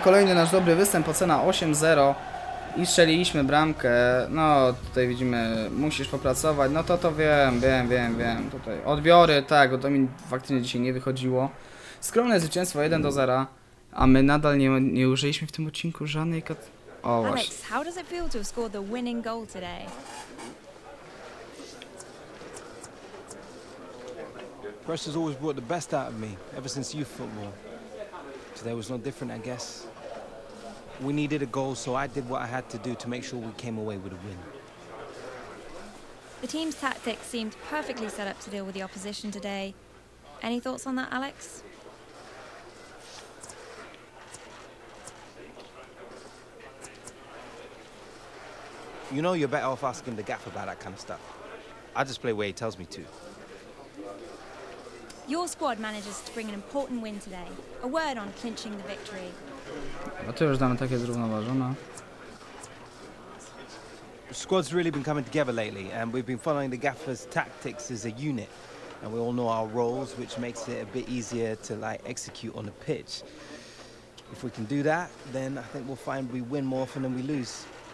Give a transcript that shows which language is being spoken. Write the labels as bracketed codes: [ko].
[pl] Kolejny nasz dobry występ. Ocena 8-0. I strzeliliśmy bramkę, no tutaj widzimy, musisz popracować, no to wiem, tutaj odbiory, tak, bo to mi faktycznie dzisiaj nie wychodziło. Skromne zwycięstwo, 1-0, a my nadal nie użyliśmy w tym odcinku żadnej o właśnie. [en] Alex, how does it feel to have scored the winning goal today? Press has always brought the best out of me, ever since youth football. Today was no different, I guess. We needed a goal, so I did what I had to do to make sure we came away with a win. The team's tactics seemed perfectly set up to deal with the opposition today. Any thoughts on that, Alex? You know you're better off asking the gaff about that kind of stuff. I just play where he tells me to. Your squad manages to bring an important win today. A word on clinching the victory. [pl] A to już damy takie zrównoważone. [en] Squad's really been coming together lately and we've been following the gaffer's tactics as a unit. And we all know our roles, which makes it a bit easier to like execute on the pitch. If we can do that, then I think we'll find we win more often than we lose.